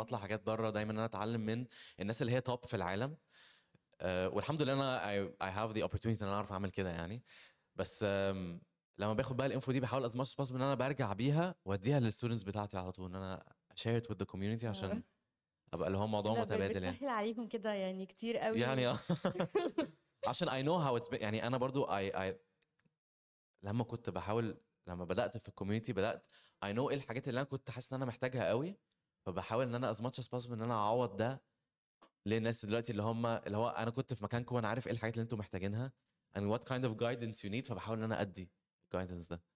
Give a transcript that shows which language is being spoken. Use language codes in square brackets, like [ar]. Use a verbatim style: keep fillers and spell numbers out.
[ar] بطلع حاجات بره دايما، ان انا اتعلم من الناس اللي هي توب في العالم. آه والحمد لله انا [en] I, I have the opportunity [ar] ان انا اعرف اعمل كده يعني. بس آم، لما باخد بقى الانفو دي بحاول [en] as much as possible [ar] ان انا برجع بيها واديها للستودنتس بتاعتي على طول، ان انا [en] share it with the community [ar] آه. عشان ابقى اللي هو موضوع كده ب- متبادل يعني بتسهل عليكم كده يعني كتير قوي يعني و... اه عشان [en] I know how it's been [ar] يعني. انا برضو I, I لما كنت بحاول، لما بدات في الكوميونتي بدات [en] I know [ar] ايه الحاجات اللي انا كنت حاسس ان انا محتاجها قوي، فبحاول ان انا [en] as much as possible [ar] ان انا اعوض ده للناس دلوقتي اللي هم اللي هو انا كنت في مكانكم وانا عارف ايه الحاجات اللي انتم محتاجينها [en] and what kind of guidance you need، [ar] فبحاول ان انا ادي guidance ده.